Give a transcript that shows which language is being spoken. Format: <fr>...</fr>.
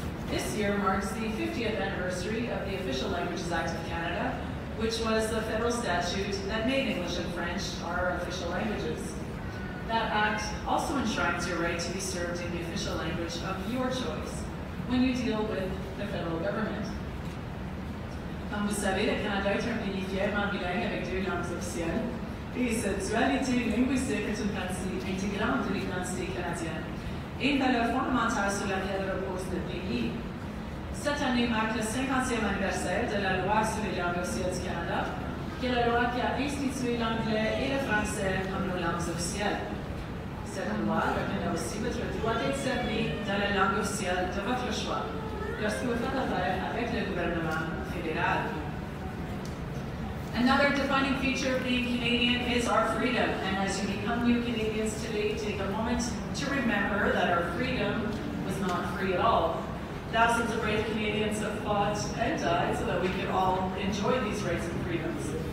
<en>This year marks the 50th anniversary of the Official Languages Act of Canada, which was the federal statute that made English and French our official languages. That act also enshrines your right to be served in the official language of your choice when you deal with the federal government.</en> <fr>Comme vous savez, le Canada est un pays fièrement bilingue avec deux langues officielles, et cette dualité linguistique est une partie intégrante de l'identité canadienne et une valeur fondamentale sur laquelle repose le pays. Cette année marque le 50e anniversaire de la loi sur les langues officielles du Canada, qui est la loi qui a institué l'anglais et le français comme nos langues officielles. Cette loi reconnaît aussi votre droit d'être servi dans la langue officielle de votre choix, lorsque vous faites affaire avec le gouvernement fédéral.</fr> <en>Another defining feature of being Canadian is our freedom. And as you become new Canadians today, take a moment to remember that our freedom was not free at all. Thousands of brave Canadians have fought and died so that we could all enjoy these rights and freedoms.</en>